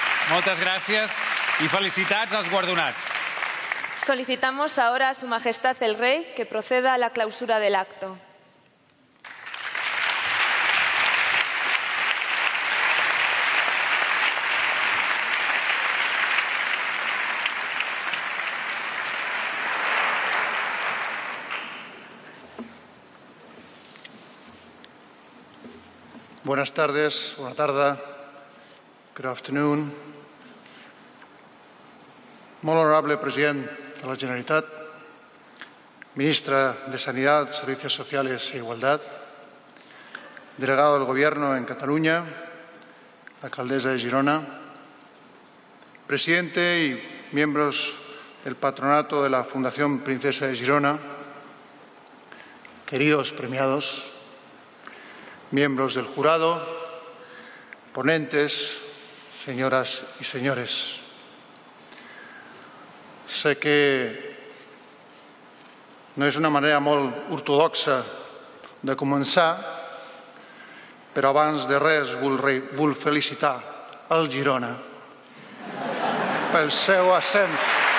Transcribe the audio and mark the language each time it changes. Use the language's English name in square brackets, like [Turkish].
[Catalan] Moltes gràcies i felicitats als guardonats. [Spanish] Solicitamos ahora a Su Majestad el Rey que proceda a la clausura del acto. Buenas tardes, buena tarde, [English] good afternoon. [Catalan] Molt honorable president de la Generalitat, [Spanish] ministra de Sanidad, Servicios Sociales e Igualdad, delegado del Gobierno en Cataluña, alcaldesa de Girona, presidente y miembros del patronato de la Fundación Princesa de Girona, queridos premiados, miembros del jurado, ponentes, señoras y señores. Sé que no es una manera [Catalan] molt ortodoxa de començar, però abans de res vull felicitar el Girona pel seu ascens.